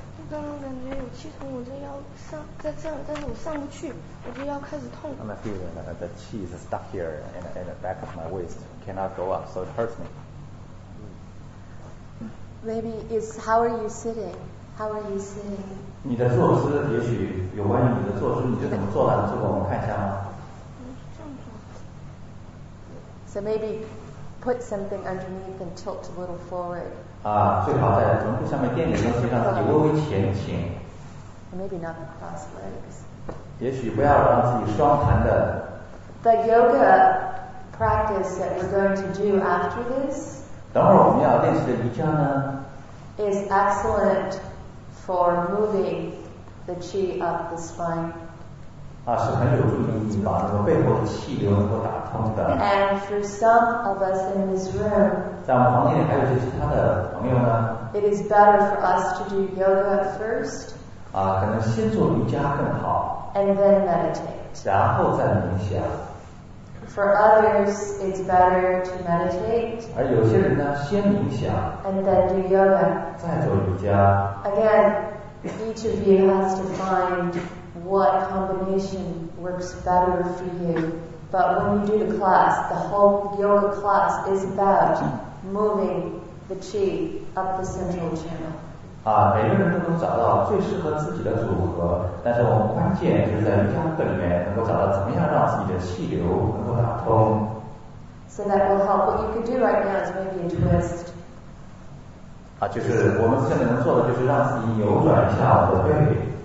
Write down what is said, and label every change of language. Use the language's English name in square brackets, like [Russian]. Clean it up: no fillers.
[Chinese] 刚刚感觉有气从我这腰上在这儿，但是我上不去，我这腰开始痛。 [English] I'm feeling that the chi is stuck here in the back of my waist, cannot go up, so it hurts me. Maybe it's how are you sitting? How are you sitting? [Chinese] 你的坐姿也许有关于你的坐姿，你是怎么坐的？这个我们看一下吗？ [English] So maybe put something underneath and tilt a little forward. [Chinese] 啊，最好在臀部下面垫点东西，让自己微微前倾。 [English] Maybe not the cross legs. [Chinese] 也许不要让自己双盘的。 [English] The yoga practice that we're going to do after this. [Chinese] 等会儿我们要练习的瑜伽呢 [English] ？Is excellent for moving the chi up the spine. [Chinese] 啊，是很有助于你把那个背后的气流能够打通的。 [English] And for some of us in this room. [Chinese] 在我们房间里还有一些其他的朋友呢。 [English] It is better for us to do yoga first. [Chinese] 啊，可能先做瑜伽更好。 [English] And then meditate. [Chinese] 然后再冥想。 [English] For others, it's better to meditate. [Chinese] 而有些人呢，先冥想。 [English] And then do yoga. [Chinese] 再做瑜伽。 [English] Again, each of you has to find what combination works better for you. But when you do the class, the whole yoga class is about moving the chi up the central channel. [Chinese] 啊，每个人都能找到最适合自己的组合，但是我们关键就是在瑜伽课里面能够找到怎么样让自己的气流能够打通。 [English] So that will help. What you could do right now is maybe a twist. [Chinese] 啊，就是我们现在能做的就是让自己扭转一下我的背。